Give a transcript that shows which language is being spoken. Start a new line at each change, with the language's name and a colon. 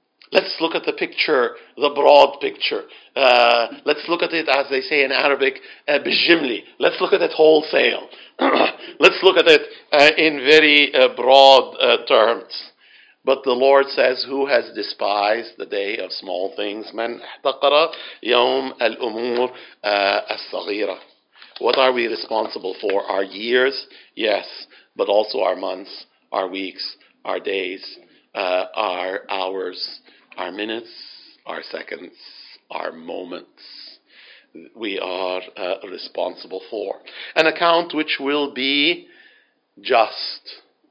English: Let's look at the picture, the broad picture. Let's look at it, as they say in Arabic, bijimli. Let's look at it wholesale. Let's look at it in very broad terms. But the Lord says, who has despised the day of small things?
Arabic: من احتقر يوم الأمور الصغيرة.
English: What are we responsible for? Our years? Yes. But also our months, our weeks, our days, our hours, our minutes, our seconds, our moments. We are responsible for an account which will be just.